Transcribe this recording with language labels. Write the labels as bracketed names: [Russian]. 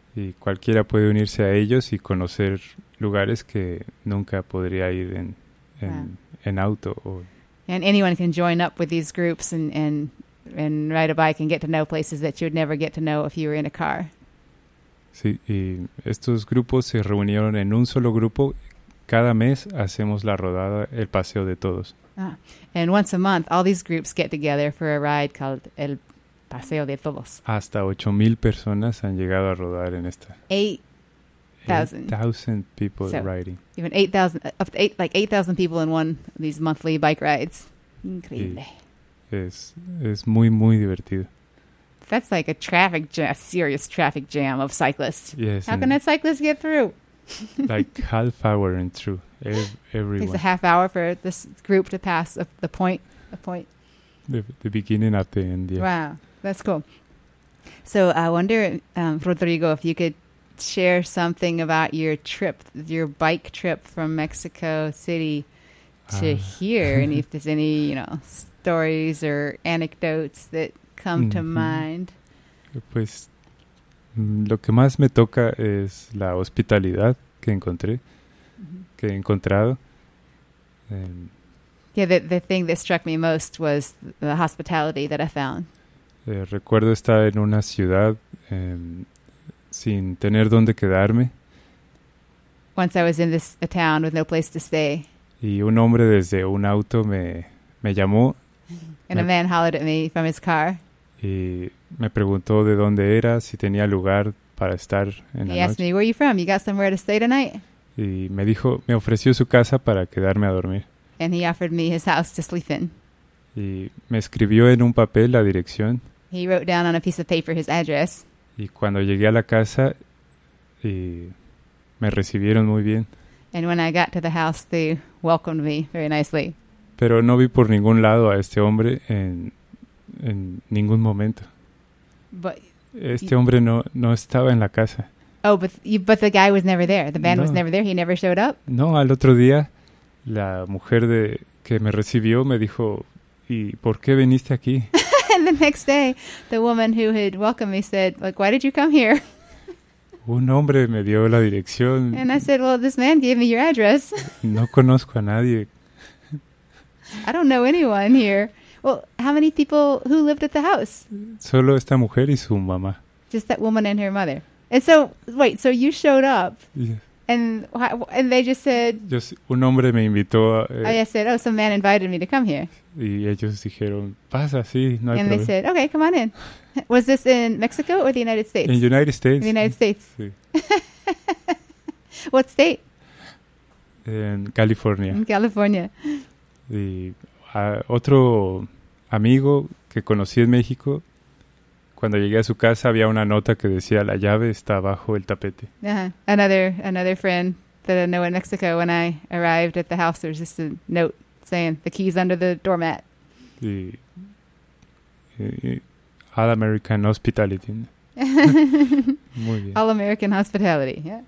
[Spanish] Y cualquiera puede unirse a ellos y conocer lugares que nunca podría ir en auto. [English] And anyone can join up with these groups and ride a bike and get to know places that you would never get to know if you were in a car. [Spanish] Sí, y estos grupos se reunieron en un solo grupo. Cada mes hacemos la rodada, el paseo de todos. [English] And once a month, all these groups get together for a ride called El Paseo de Todos. [Spanish] Hasta 8,000 personas han llegado a rodar en esta. [English] 8,000 people so riding. Even 8,000, up to 8,000 people in one of these monthly bike rides. [Spanish] Increíble. Es muy, muy divertido. [English] That's like a traffic jam, a serious traffic jam of cyclists. Yes. How can a cyclist get through? Like half hour and through. Everyone. It's a half hour for this group to pass the point. The beginning at the end, yeah. Wow, that's cool. So I wonder, Rodrigo, if you could share something about your trip, your bike trip from Mexico City to here. And if there's any, stories or anecdotes that come to mind. [Spanish] Pues, lo que más me toca es la hospitalidad que encontré. Que he encontrado. [English] The thing that struck me most was the hospitality that I found. [Spanish] Recuerdo estar en una ciudad sin tener dónde quedarme. [English] Once I was in a town with no place to stay. [Spanish] Y un hombre desde un auto me llamó. [English] And a man hollered at me from his car. [Spanish] Y me preguntó de dónde era, si tenía lugar para estar en he la noche. [English] He asked me, where are you from? You got somewhere to stay tonight? [Spanish] Y me dijo, me ofreció su casa para quedarme a dormir. [English] And he offered me his house to sleep in. [Spanish] Y me escribió en un papel la dirección. [English] He wrote down on a piece of paper his address. [Spanish] Y cuando llegué a la casa, me recibieron muy bien. [English] And when I got to the house, they welcomed me very nicely. [Spanish] Pero no vi por ningún lado a este hombre en ningún momento. [English] But [Spanish] este hombre no estaba en la casa. [English] Oh, but the guy was never there. The man was never there. He never showed up. [Spanish] No, al otro día, la mujer que me recibió me dijo, ¿y por qué viniste aquí? [English] And the next day, the woman who had welcomed me said, like, why did you come here? [Spanish] Un hombre me dio la dirección. [English] And I said, well, this man gave me your address. [Spanish] No conozco a nadie. [English] I don't know anyone here. Well, how many people who lived at the house? [Spanish] Solo esta mujer y su mamá. [English] Just that woman and her mother. And so, wait, so you showed up, and they just said... [Spanish] Just un hombre me invitó a... [English] I said, oh, some man invited me to come here. [Spanish] Y ellos dijeron, pasa, sí, no hay [English] And problem. They said, okay, come on in. Was this in Mexico or the United States? In the United States. The United States. [Spanish] Sí. [English] What state? In California. In California. [Spanish] Y otro amigo que conocí en México... Cuando llegué a su casa había una nota que decía la llave está bajo el tapete. Uh-huh. [English] Another friend that I know in Mexico, when I arrived at the house, there was just a note saying the key's under the doormat. Y, all American hospitality. [Spanish] Muy bien. [English] All American hospitality. Yeah.